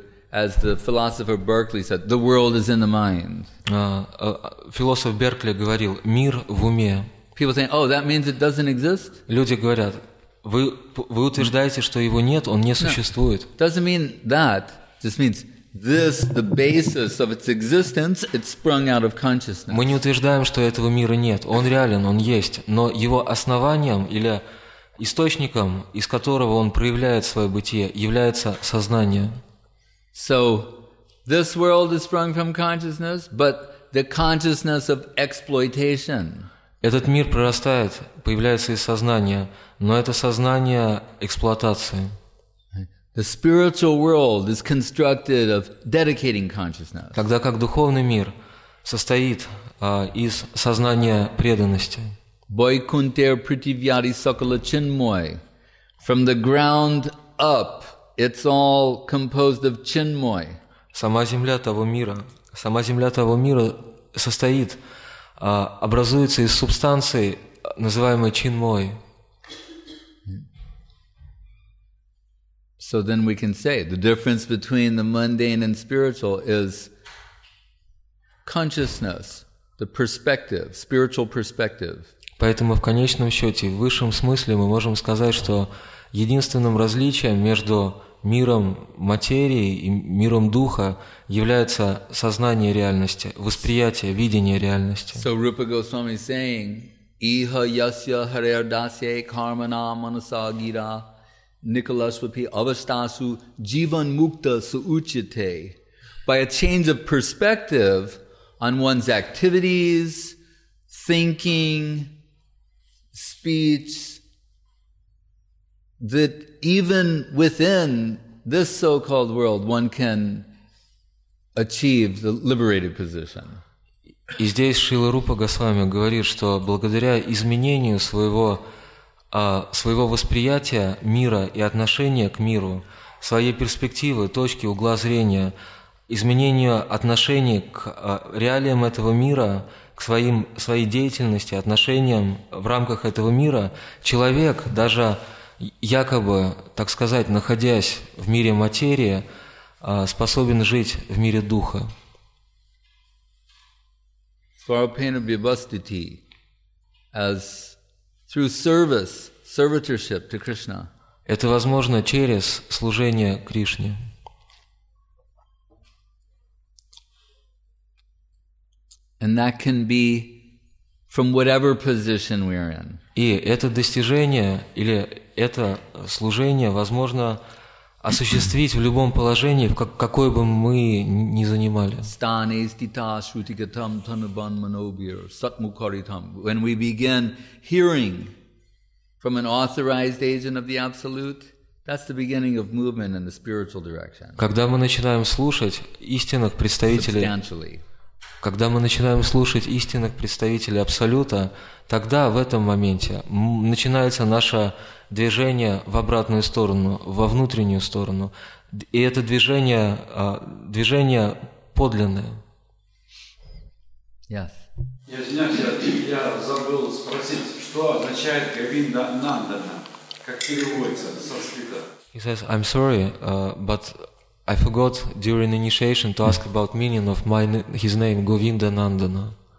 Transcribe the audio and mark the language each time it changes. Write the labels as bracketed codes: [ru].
[en] As the philosopher Berkeley said, the world is in the mind. [ru] Философ Беркли говорил: мир в уме. [en] People say, oh, that means it doesn't exist? [ru] Люди говорят: вы утверждаете, что его нет, он не существует. [en] No, doesn't mean that. Just means this, the basis of its existence, it sprung out of consciousness. [ru] Мы не утверждаем, что этого мира нет. Он реален, он есть. Но его основанием или источником, из которого он проявляет свое бытие, является сознание. [en] So, this world is sprung from consciousness, but the consciousness of exploitation. [ru] Этот мир прорастает, появляется из сознания, Но это сознание эксплуатации. [en] The spiritual world is constructed of dedicating consciousness. [ru] Тогда как духовный мир состоит из сознания преданности. [bn] Vaikunthar prithivyari sakala chinmoy. [en] From the ground up, it's all composed of chinmoy. [ru] Сама земля того мира состоит, образуется из субстанции, называемой чинмой. [en] So then we can say the difference between the mundane and spiritual is consciousness, the perspective, spiritual perspective. [ru] Поэтому в конечном счете, в высшем смысле мы можем сказать, что единственным различием между миром материи и миром духа является сознание реальности, восприятие, видение реальности. [en] So Rupa Goswami is saying, [sa] Iha yasya harerdasye karmana manasagira nikalasvapi avastasu jivan mukta suuchite. [en] By a change of perspective on one's activities, thinking, speech, that even within this so-called world, one can achieve the liberated position. [ru] И здесь Шрила Рупа Госвами говорит, что благодаря изменению своего восприятия мира и отношения к миру, своей перспективы, точки угла зрения, изменению отношений к реалиям этого мира, к своей деятельности, отношениям в рамках этого мира, человек, даже якобы, так сказать, находясь в мире материи, способен жить в мире духа. [sa] Svarupena vibhastiti, [en] as through service, servitorship to Krishna. [ru] Это возможно через служение Кришне. [en] And that can be from whatever position we are in. [ru] И это достижение или это служение возможно осуществить в любом положении, какое бы мы ни занимали. [en] When we begin hearing from an authorized agent of the Absolute, that's the beginning of movement in the spiritual direction. [ru] Когда мы начинаем слушать истинных представителей, когда мы начинаем слушать истинных представителей Абсолюта, тогда в этом моменте начинается наше движение в обратную сторону, во внутреннюю сторону. И это движение, движение подлинное. [en] Yes. [ru] Я извиняюсь, я забыл спросить, что означает Говинда Нандана, как переводится в санскрите. [en] He says, I'm sorry, but I forgot during initiation to ask about meaning of his name, Govinda Nandana.